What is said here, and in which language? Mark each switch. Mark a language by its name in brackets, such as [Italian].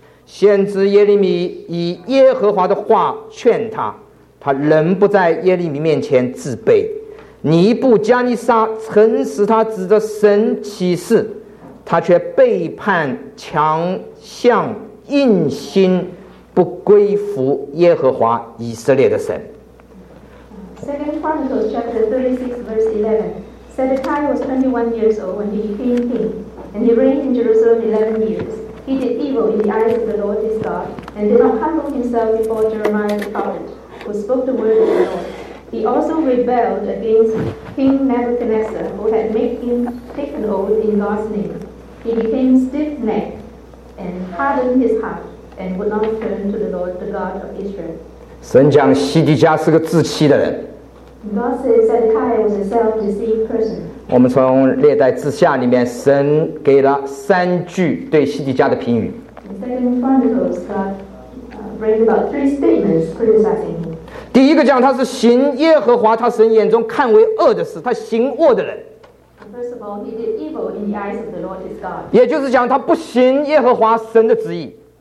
[Chinese] 先知耶利米以耶和华的话劝他，他仍不在耶利米面前自卑。尼布加尼撒曾使他指着神起誓，他却背叛强项，硬心不归服耶和华以色列的神。 [English] Second Chronicles chapter 36 verse 11. Zedekiah was 21 years old when he became king, and he reigned in Jerusalem 11 years. He did evil in the eyes of the Lord his God, and did not humble himself before Jeremiah the prophet, who spoke the word of the Lord. He also rebelled against King Nebuchadnezzar, who had made him take an oath in God's name. He became stiff-necked and hardened his heart. And would not turn to the Lord, the God of Israel. [Chinese] 神讲西底家是个自欺的人。 [English] God says that Zedekiah was a self-deceived person. [Chinese] 我们从历代志下里面，神给了三句对西底家的评语。 [English] Second Chronicles, God bring about three statements criticizing him. [Chinese] 第一个讲他是行耶和华他神眼中看为恶的事，他行恶的人。 [English] First of all, he did evil in the eyes of the Lord his God. [Chinese] 也就是讲他不行耶和华神的旨意。